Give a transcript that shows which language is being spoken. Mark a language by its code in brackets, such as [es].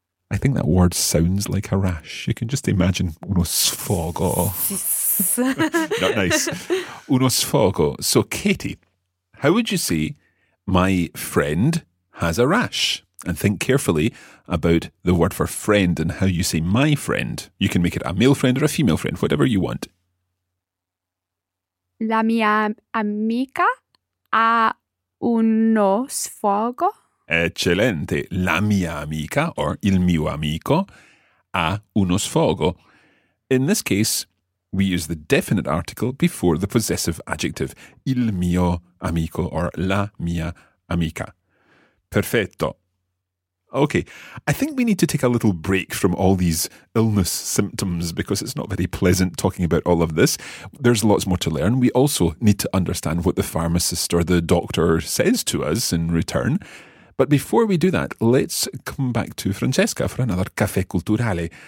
[en] I think that word sounds like a rash. You can just imagine uno sfogo. Not nice. Uno sfogo. So, Katie, how would you say my friend has a rash? And think carefully about the word for friend and how you say my friend. You can make it a male friend or a female friend, whatever you want. [it] La mia amica ha uno sfogo. Eccellente. La mia amica, or il mio amico, ha uno sfogo. [en] In this case, we use the definite article before the possessive adjective. [it] Il mio amico, or la mia amica. Perfetto. [en] Okay, I think we need to take a little break from all these illness symptoms because it's not very pleasant talking about all of this. There's lots more to learn. We also need to understand what the pharmacist or the doctor says to us in return. But before we do that, let's come back to Francesca for another Caffè Culturale.